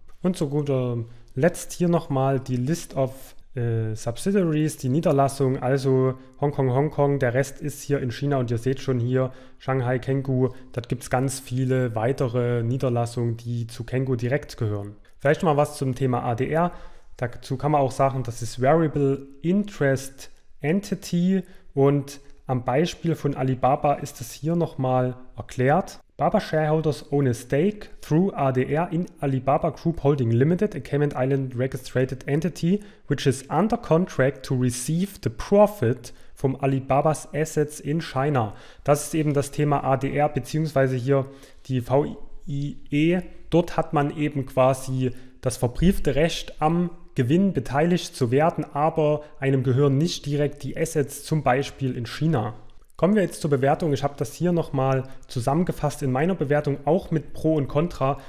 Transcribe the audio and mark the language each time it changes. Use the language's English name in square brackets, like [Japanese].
[German] Und zu guter Letzt hier nochmal die List of Subsidiaries, die Niederlassung, also Hongkong, der Rest ist hier in China, und ihr seht schon hier Shanghai Kangaroo, da gibt es ganz viele weitere Niederlassungen, die zu Kangaroo direkt gehören. Vielleicht nochmal was zum Thema ADR, dazu kann man auch sagen, das ist Variable Interest Entity, und am Beispiel von Alibaba ist es hier nochmal erklärt. [English] Baba Shareholders own a stake through ADR in Alibaba Group Holding Limited, a Cayman Island registered entity, which is under contract to receive the profit from Alibaba's assets in China. [German] Das ist eben das Thema ADR, beziehungsweise hier die VIE. Dort hat man eben quasi das verbriefte Recht, am Gewinn beteiligt zu werden, aber einem gehören nicht direkt die Assets, zum Beispiel in China. Kommen wir jetzt zur Bewertung. Ich habe das hier nochmal zusammengefasst in meiner Bewertung, auch mit Pro und Contra.